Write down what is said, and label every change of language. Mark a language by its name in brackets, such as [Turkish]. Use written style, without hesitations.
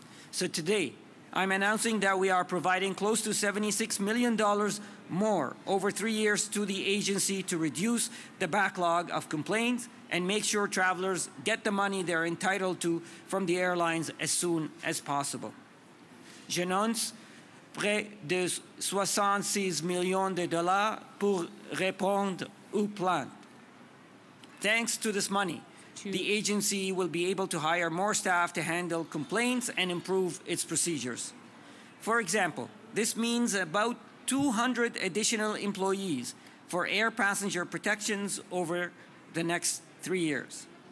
[English] So today, I'm announcing that we are providing close to $76 million more over 3 years to the agency to reduce the backlog of complaints and make sure travelers get the money they're entitled to from the airlines as soon as possible. [French] J'annonce près de $66 million pour répondre aux plaintes. [English] Thanks to this money, the agency will be able to hire more staff to handle complaints and improve its procedures. For example, this means about 200 additional employees for air passenger protections over the next 3 years.